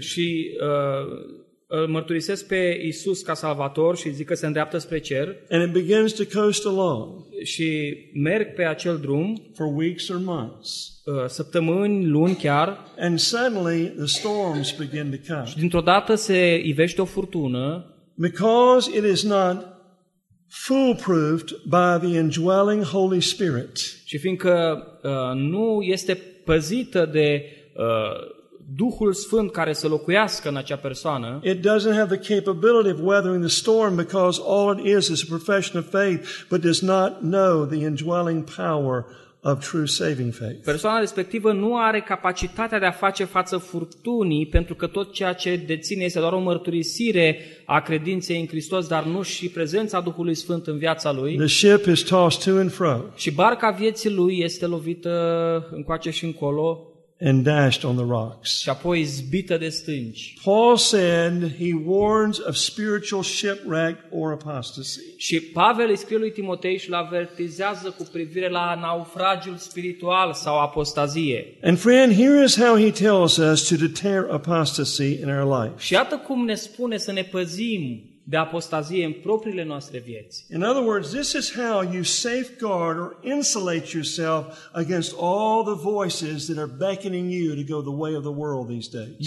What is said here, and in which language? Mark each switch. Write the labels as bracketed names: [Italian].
[Romanian] Și îl mărturisesc pe Iisus ca Salvator și zic că se îndreaptă spre cer. [English] And it begins to coast along. [Romanian] Și merg pe acel drum. [English] For weeks or months. [Romanian] Săptămâni, luni chiar. [English] And suddenly the storms begin to come. [Romanian] Și dintr-o dată se ivește o furtună. [English] Because it is not foolproof by the indwelling Holy Spirit. [Romanian] Și fiindcă nu este păzită de Duhul Sfânt care să locuiască în acea persoană. [English] It doesn't have the capability of weathering the storm because all it is a profession of faith, but does not know the indwelling power of true saving faith. [Romanian] Persoana respectivă nu are capacitatea de a face față furtunii pentru că tot ceea ce deține este doar o mărturisire a credinței în Hristos, dar nu și prezența Duhului Sfânt în viața lui. [English] The ship is tossed to and fro. [Romanian] Și barca vieții lui este lovită încoace și încolo. [English] And dashed on the rocks. [Romanian] Și apoi zbită de stânci. [English] Paul said he warns of spiritual shipwreck or apostasy. [Romanian] Și Pavel îi scrie lui Timotei și îl avertizează cu privire la naufragiul spiritual sau apostazie. [English] And friend, here is how he tells us to deter apostasy in our life. [Romanian] Și iată cum ne spune să ne păzim de apostazie în propriile noastre vieți. [English] In other words, this is how you safeguard or insulate yourself against all the voices that are beckoning you to go the way of the world these days.